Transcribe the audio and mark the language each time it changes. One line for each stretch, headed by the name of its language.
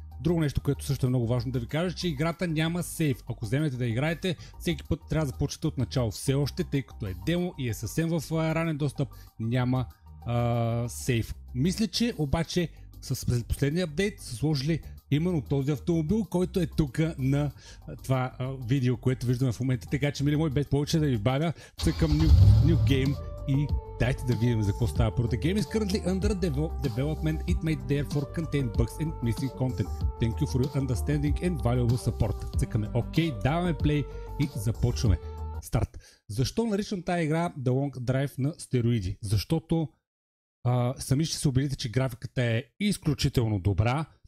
Bulgarian: Друго нещо, което също е много важно да ви кажа, че играта няма сейв. Ако вземете да играете, всеки път трябва да започвате от начало все още, тъй като е демо и е съвсем в ранен достъп, няма сейв. Мисля, че обаче с последния апдейт са сложили именно този автомобил, който е тук на това видео, което виждаме в момента. Така че, мили мои, без повече да ви бавя, цъкам new game и дайте да видим за какво става.
English: The game is currently under development. It may therefore contain bugs and missing content. Thank you for your understanding and valuable support.
Bulgarian: Цъкаме окей, даваме play и започваме. Старт. Защо наричам тази игра The Long Drive на стероиди? Защото сами ще се убедите, че графиката е изключително добра.